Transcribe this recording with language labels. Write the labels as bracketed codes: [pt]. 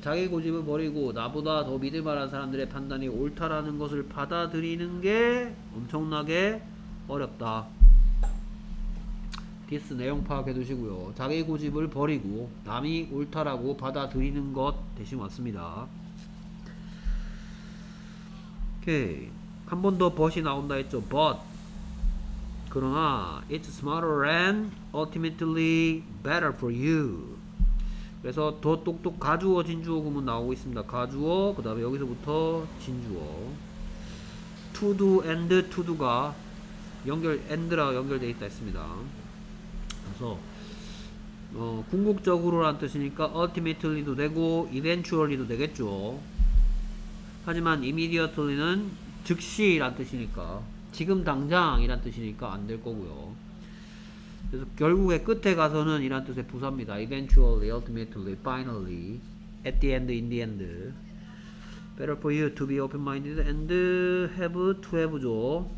[ko] 자기 고집을 버리고 나보다 더 믿을만한 사람들의 판단이 옳다라는 것을 받아들이는 게 엄청나게 어렵다. this 내용 파악해 두시고요. 자기 고집을 버리고 남이 옳다라고 받아들이는 것 대신 왔습니다. 오케이. 한 번 더 but이 나온다 했죠. [en] but [ko] 그러나 [en] it's smarter and ultimately better for you. [ko] 그래서 더 똑똑 가주어 진주어 구문 나오고 있습니다. 가주어 그 다음에 여기서부터 진주어 [en] to do and to do [ko] 가 연결 and라 연결되어 있다 했습니다. 그래서 궁극적으로란 뜻이니까 ultimately도 되고 eventually도 되겠죠. 하지만 immediately는 즉시란 뜻이니까 지금 당장이란 뜻이니까 안 될 거고요. 그래서 결국에 끝에 가서는 이란 뜻의 부사입니다. [en] eventually, ultimately, finally, at the end, in the end. Better for you to be open-minded and have to have죠.